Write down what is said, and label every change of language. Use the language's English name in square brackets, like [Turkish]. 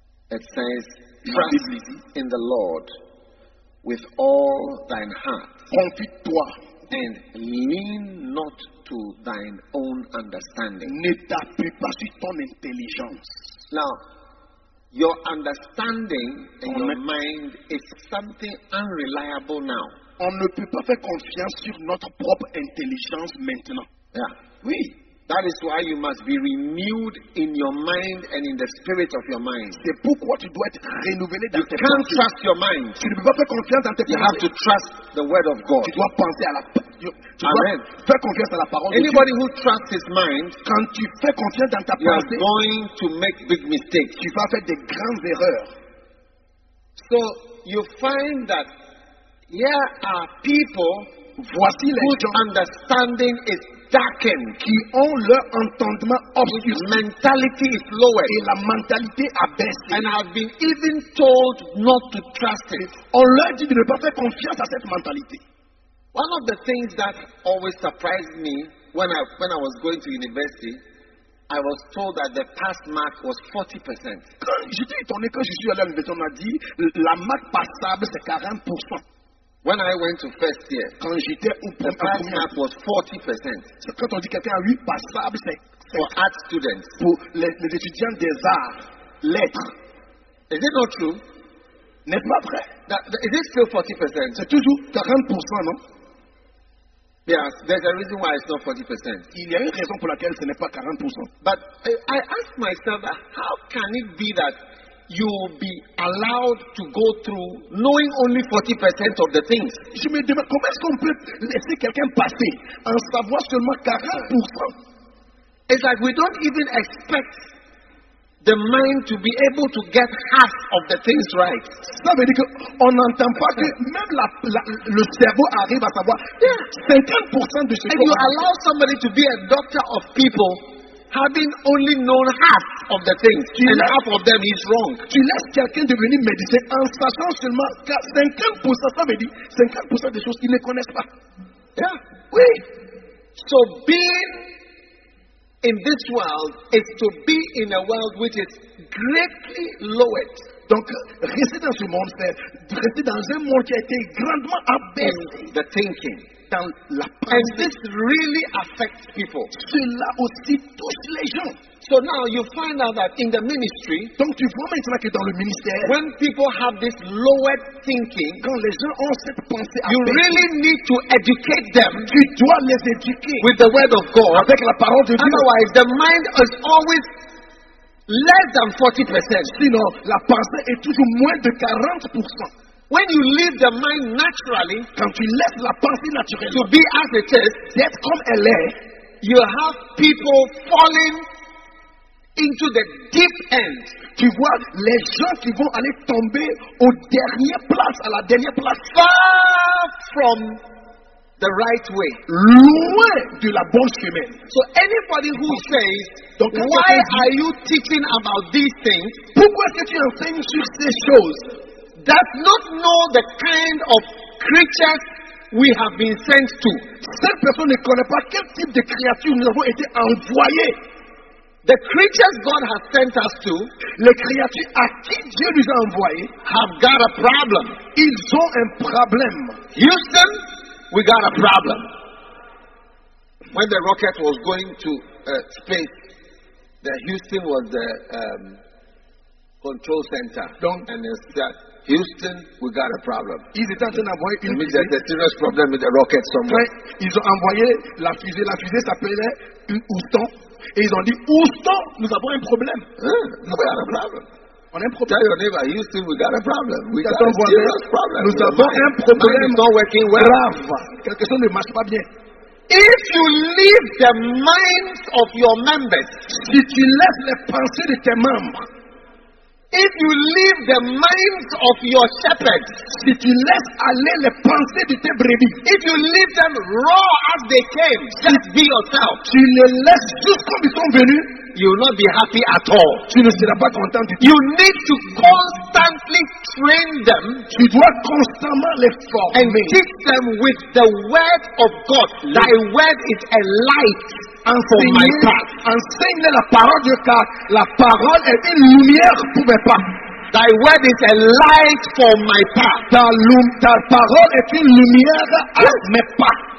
[English] It says, trust in the Lord with all thine heart. [French] Confie-toi. [English] And lean not to thine own understanding. [French] Ne t'appuie pas sur ton intelligence. [English] Now, your understanding and your mind is something unreliable now. [French] On ne peut pas faire confiance sur notre propre intelligence maintenant. [English] Yeah. [French] Oui. [English] That is why you must be renewed in your mind and in the spirit of your mind. [French] C'est pourquoi tu dois être renouvelé dans tes pensées. [English] You can't trust your mind. [French] Tu ne peux pas faire confiance dans tes pensées. [English] You have to trust the word of God. [French] Tu dois penser à la [English] Amen. [French] Faire confiance à la parole. [English] Anybody who trusts his mind, [French] quand tu fais confiance dans ta pensée, [English] you are going to make big mistakes. [French] Tu vas faire des grandes erreurs. [English] So you find that here are people, [French] voici les gens, [English] understanding is darkened, [French] qui ont leur entendement obscur. [English] Mentality is lowered. [French] Et la mentalité abaissée. [English] And have been even told not to trust it. [French] On leur dit de ne pas faire confiance à cette mentalité. [English] One of the things that always surprised me when I was going to university, I was told that the pass mark was 40%. [French] J'étais étonné quand je suis allé à l'université, on m'a dit la marque passable c'est 40%. [English] When I went to first year, [French] quand j'étais au [English] the pass mark was 40%. [French] C'est quand on dit quelqu'un a eu passable c'est [English] for art students, [French] pour les étudiants des arts, lettres. [English] Is it not true? [French] N'est pas vrai? [English] Is it still 40%? [French] C'est toujours 40%, non? [English] Yes, there's a reason why it's not 40%. [French] Il y a une raison pour laquelle ce n'est pas 40%. [English] But I ask myself, how can it be that you'll be allowed to go through knowing only 40% of the things? [French] Je me demande comment est-ce qu'on peut laisser quelqu'un passer en savoir seulement 40%. [English] It's like we don't even expect the mind to be able to get half of the things right. [French] Ça veut dire qu'on n'entend pas que même le cerveau arrive à savoir 50% de ce qu'on a. [English] And you allow somebody to be a doctor of people having only known half of the things, and half of them is wrong. [French] Tu laisses quelqu'un devenir médecin en sachant seulement 50%, ça veut dire 50% des choses qu'ils ne connaissent pas. [English] Yeah. [French] Oui. [English] So being in this world is to be in a world which is greatly lowered. [French] Donc, rester dans ce monde, c'est rester dans un monde qui a été grandement abaissé. [English] The thinking. [French] Dans la pensée. [English] And this really affects people. [French] Cela aussi touche les gens. [English] So now you find out that in the ministry, [French] donc tu vois maintenant que dans le ministère, [English] when people have this lowered thinking, [French] quand les gens ont cette pensée abaissée, [English] you really need to educate them. [French] Tu dois les éduquer [English] with the word of God. [French] Avec la parole de Dieu. [English] Otherwise, the mind is always less than 40%. [French] Sinon, la pensée est toujours moins de 40%. [English] When you leave the mind naturally, [French] quand tu laisses la pensée naturelle, [English] to be as it is, [French] yet comme elle est, [English] you have people falling into the deep end. [French] Tu vois les gens qui vont aller tomber au dernier place, à la dernière place, [English] far from the right way, [French] loin de la bonne chemin. [English] So anybody who says, [French] donc, [English] why are you teaching about these things? [French] Pourquoi est-ce que tu enseignes sur ces choses? [English] Does not know the kind of creatures we have been sent to. [French] Cette personne ne connaît pas quel type de créature nous avons été envoyés. [English] The creatures God has sent us to, [French] les créatures à qui Dieu nous a envoyés, [English] have got a problem. [French] Ils ont un problème. [English] Houston, we got a problem. When the rocket was going to space, the Houston was the control center. [French] Donc, [English] and it's that Houston, we got a problem. [French] Ils étaient en train d'envoyer une fusée. [English] There's a serious problem with the rocket somewhere. [French] Après, ils ont envoyé la fusée. La fusée s'appelait Houston. Et ils ont dit, Houston, nous avons un problème. [English] We got a problem. [French] On a un problème. [English] Tell your neighbor, Houston, we got a problem. We got a serious problem. [French] Nous avons un problème. [English] Mind is not working well. [French] Grave. Quelque chose ne marche pas bien. [English] If you leave the minds of your members, [French] si tu laisses les pensées de tes membres, [English] if you leave the minds of your shepherds, [French] si tu laisses aller les pensées de tes brebis, [English] if you leave them raw as they came, just be yourself. [French] Tu les laisses juste comme ils sont venus, [English] you will not be happy at all. [French] Tu ne seras pas content. [English] You need to constantly train them. [French] Tu dois constamment les former. [English] And teach them with the word of God. Thy word is a light. [French] Enseigne la parole de Dieu car la parole est une lumière pour mes pas. [English] Thy word is a light for my path. [French] Ta parole est une lumière à mes pas.